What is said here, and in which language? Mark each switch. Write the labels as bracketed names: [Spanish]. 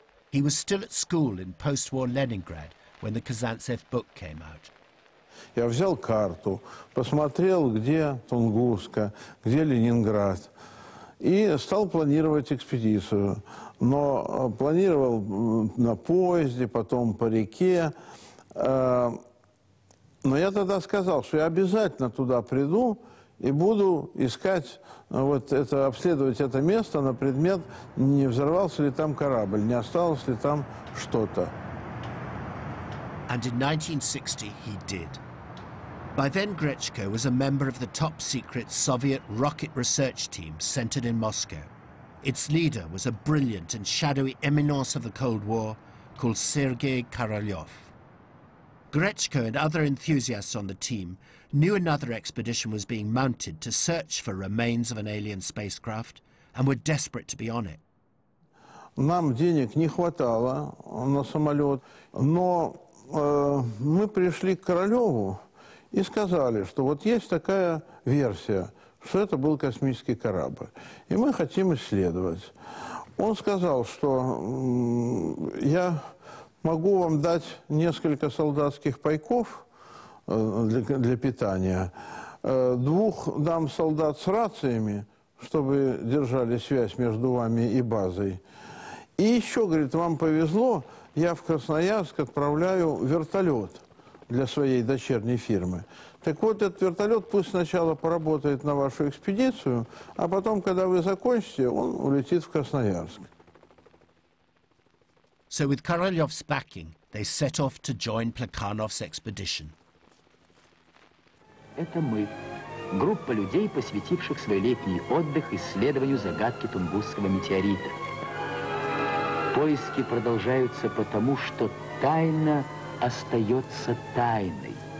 [English] He was still at school in post-war Leningrad when the Казанцев book came out. [Russian] Я взял карту, посмотрел, где Тунгуска, где Ленинград, и стал планировать экспедицию. Но планировал на поезде, потом по реке. Но я тогда сказал, что я обязательно туда приду и буду искать, вот это, обследовать это место на предмет, не взорвался ли там корабль, не осталось ли там что-то. [English] And in 1960 he did. By then Grechko was a member of the top secret Soviet rocket research team centered in Moscow. Its leader was a brilliant and shadowy eminence of the Cold War called Sergei Korolev. Grechko and other enthusiasts on the team knew another expedition was being mounted to search for remains of an alien spacecraft and were desperate to be on it. [Russian] Нам денег не хватало на самолет, но мы пришли к Королеву и сказали, что вот есть такая версия, что это был космический корабль, и мы хотим исследовать. Он сказал, что я... Могу вам дать несколько солдатских пайков для питания. Двух дам солдат с рациями, чтобы держали связь между вами и базой. И еще, говорит, вам повезло, я в Красноярск отправляю вертолет для своей дочерней фирмы. Так вот, этот вертолет пусть сначала поработает на вашу экспедицию, а потом, когда вы закончите, он улетит в Красноярск. [English] So with Korolev's backing, they set off to join Plekhanov's expedition. [Russian] Это мы, группа людей, посвятивших свой летний отдых исследованию загадки Тунгусского метеорита. Поиски продолжаются потому, что тайна остается тайной.